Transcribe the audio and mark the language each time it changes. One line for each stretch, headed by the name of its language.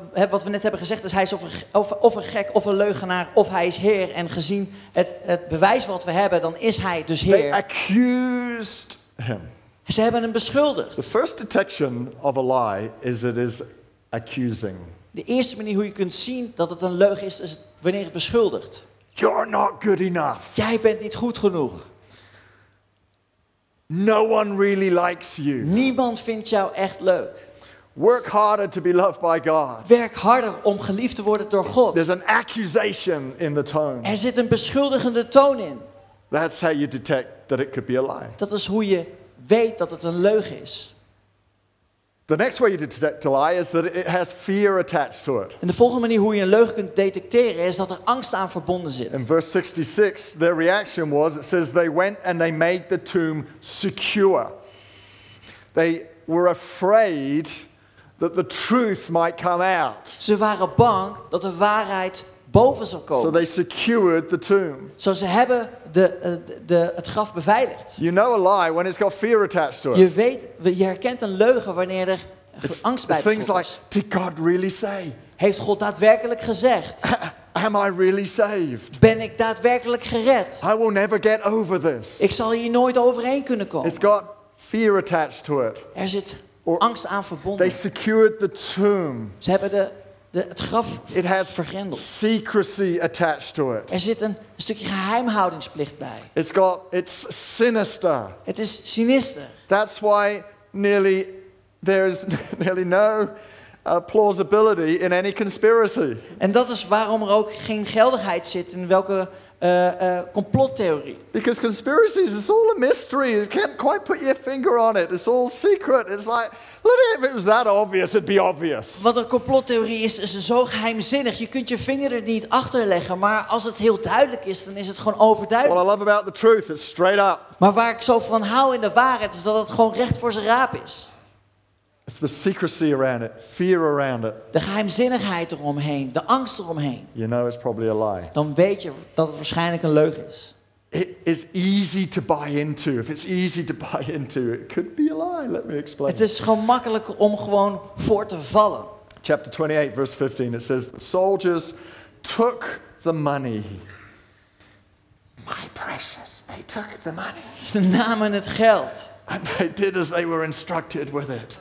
Dutch: Wat we net hebben gezegd is hij is of een gek of een leugenaar of hij is Heer. En gezien het bewijs wat we hebben, dan is hij dus Heer.
English: They accused him.
Dutch: Ze hebben hem beschuldigd.
English: The first detection of a lie is it is accusing.
Dutch: De eerste manier hoe je kunt zien dat het een leugen is, is wanneer het beschuldigt.
English: You're not good enough.
Dutch: Jij bent niet goed genoeg.
English: No one really likes you.
Dutch: Niemand vindt jou echt leuk.
English: Work harder to be loved by God.
Dutch: Werk harder om geliefd te worden door God.
English: There's an accusation in the tone.
Dutch: Er zit een beschuldigende toon in.
English: That's how you detect that it could be a lie.
Dutch: Dat is hoe je weet dat het een leugen is.
English: The next way you detect a lie is that it has fear attached to it.
Dutch: En de volgende manier hoe je een leugen kunt detecteren is dat er angst aan verbonden zit.
English: In verse 66, their reaction was, it says, they went and they made the tomb secure. They were afraid that the truth might come out.
Dutch: Ze waren bang dat de waarheid boven zou komen.
English: So they secured the tomb.
Dutch: Zo ze hebben het graf beveiligd.
English: You know a lie when it's got fear attached to it.
Dutch: Je herkent een leugen wanneer er angst bij betrokken is.
English: Things like, did God really say?
Dutch: Heeft God daadwerkelijk gezegd?
English: Am I really saved?
Dutch: Ben ik daadwerkelijk gered?
English: I will never get over this.
Dutch: Ik zal hier nooit overheen kunnen komen.
English: It's got fear attached to it.
Dutch: Er zit angst aan verbonden.
English: They secured the tomb.
Dutch: Ze hebben het graf vergrendeld.
English: It has secrecy attached to it.
Dutch: Er zit een stukje geheimhoudingsplicht bij.
English: It's sinister.
Dutch: Het is sinister.
English: That's why there is nearly no plausibility in any conspiracy.
Dutch: En dat is waarom er ook geen geldigheid zit in welke complottheorie.
English: Because conspiracies, it's all a mystery. You can't quite put your finger on it. It's all secret. It's like, let it, if it was that obvious, it'd be obvious.
Dutch: Want een complottheorie is, is zo geheimzinnig. Je kunt je vinger er niet achter leggen. Maar als het heel duidelijk is, dan is het gewoon overduidelijk.
English: What I love about the truth is straight up.
Dutch: Maar waar ik zo van hou in de waarheid is dat het gewoon recht voor zijn raap is.
English: If the secrecy around it, fear around it.
Dutch: De geheimzinnigheid eromheen, de angst eromheen.
English: You know it's probably a lie.
Dutch: Dan weet je dat het waarschijnlijk een leugen is.
English: It is easy to buy into. If it's easy to buy into, it could be a lie. Let me explain.
Dutch: Het is gemakkelijk om gewoon voor te vallen.
English: Chapter 28, verse 15, it says, the soldiers took the money. My precious, they took the money.
Dutch: Ze namen het geld.
English: And they did as they were instructed with it.